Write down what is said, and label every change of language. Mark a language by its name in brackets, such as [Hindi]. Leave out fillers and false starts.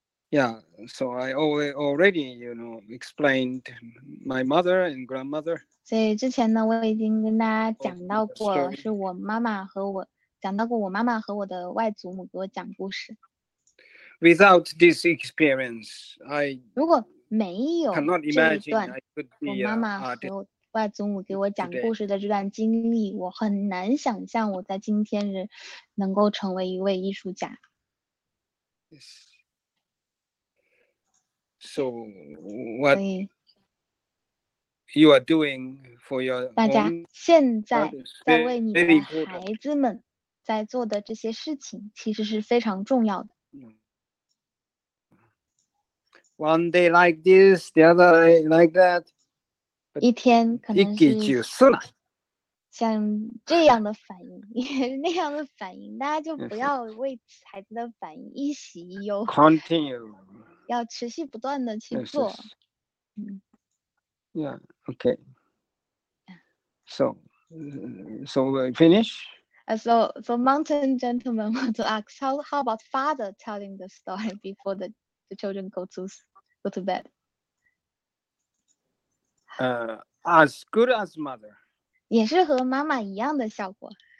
[English] Yeah, so I already explained my mother and grandmother. [Chinese] 所以之前呢，我已经跟大家讲到过，是我妈妈和我讲到过，我妈妈和我的外祖母给我讲故事。 [English] Without this experience, I [Chinese] 如果没有这一段 [English] be, [Chinese] 我妈妈和外祖母给我讲故事的这段经历，我很难想象我在今天人能够成为一位艺术家。 [English] Yes. So what you are doing for your [Chinese] 大家现在在为你的孩子们在做的这些事情，其实是非常重要的。 [English] One day like this, the other day like that. [Chinese] 一天可能是像这样的反应，那样的反应，大家就不要为孩子的反应一喜一忧。 [English] Continue. [Chinese] 要持续不断的去做。 [English] Yes, yes. Yeah. Okay. So we finish. So mountain gentleman want to ask how about father telling the story before the children go to bed. As good as mother. [Chinese] 也是和妈妈一样的效果。